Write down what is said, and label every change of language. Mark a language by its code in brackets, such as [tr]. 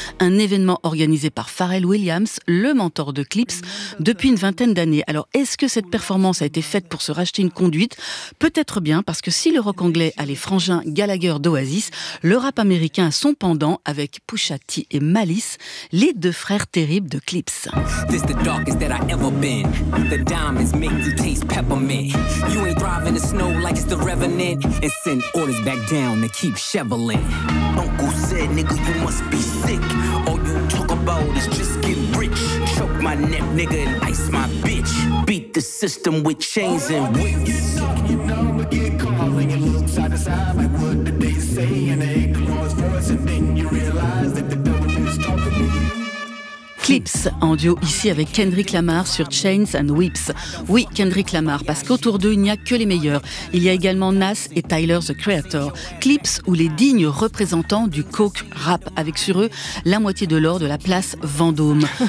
[fr] Un événement organisé par Pharrell Williams, le mentor de Clips, depuis une vingtaine d'années. Alors, est-ce que cette performance a été faite pour se racheter une conduite ? Peut-être bien, parce que si le rock anglais a les frangins Gallagher d'Oasis, le rap américain a son pendant avec Pusha T et Malice, les deux frères terribles de Clips. [en] This the darkest that I ever been. The diamonds make you taste peppermint. You ain't thriving the snow like it's the revenant. And send orders back down to keep shoveling. Uncle said, nigga, you must be sick. All you talk about is just get rich. Choke my neck, nigga, and ice my bitch. Beat the system with chains and whips. You know we get calling and look side to side like what did they say and they ain't the Lord's voice and then you realize that the devil is talking to you. [fr] Clips, en duo ici avec Kendrick Lamar sur Chains and Whips. Oui, Kendrick Lamar, parce qu'autour d'eux, il n'y a que les meilleurs. Il y a également Nas et Tyler, the Creator. Clips, ou les dignes représentants du coke rap, avec sur eux la moitié de l'or de la place Vendôme.